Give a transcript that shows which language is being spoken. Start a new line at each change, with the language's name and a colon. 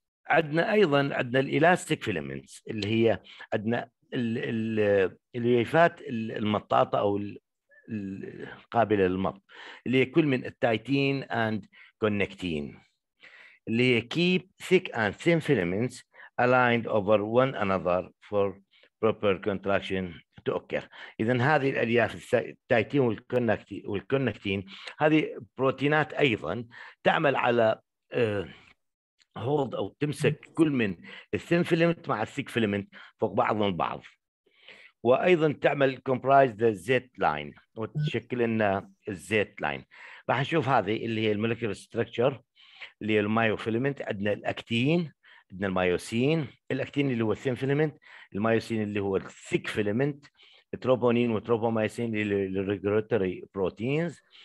Arabic: عندنا ايضا عندنا الالاستيك فيلمنتس اللي هي عندنا الليفات المطاطه او القابله للمط اللي هي كل من التايتين اند كونكتين اللي هي
English: keep thick and thin filaments aligned over one another for proper contraction to occur.
Arabic: إذن هذه الألياف التايتين والكونكتين هذه بروتينات أيضا تعمل على hold أو تمسك كل من thin filament مع thick filament فوق بعضهم البعض. وأيضا تعمل
English: comprise the Z line
Arabic: وتشكل لنا Z line. راح نشوف هذه اللي هي المولكيولار ستراكشر اللي هي المايوفيلمنت. عندنا الاكتين، عندنا المايوسين، الاكتين اللي هو الثين فيلمنت، المايوسين اللي هو الثيك فيلمنت، التروبونين والتروبومايسين اللي الريجوليتوري بروتينز.